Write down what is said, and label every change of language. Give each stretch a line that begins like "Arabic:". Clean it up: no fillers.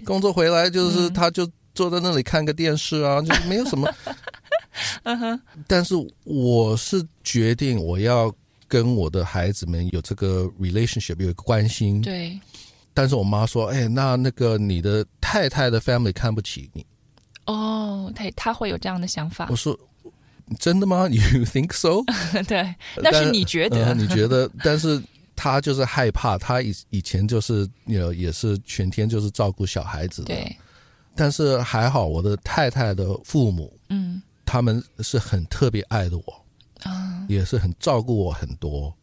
Chinese: 啊、工作回来就是他就坐在那里看个电视啊、嗯、就没有什么但是我是决定我要跟我的孩子们有这个 relationship 有一个关心对但是我妈说哎，那个你的太太的 family 看不起你哦、oh, 她会有这样的想法我说真的吗
English: You think so
Chinese: 对那是你觉得、你觉得但是她就是害怕她以前就是也是全天就是照顾小孩子的对但是还好我的太太的父母嗯，他们是很特别爱的我、也是很照顾我很多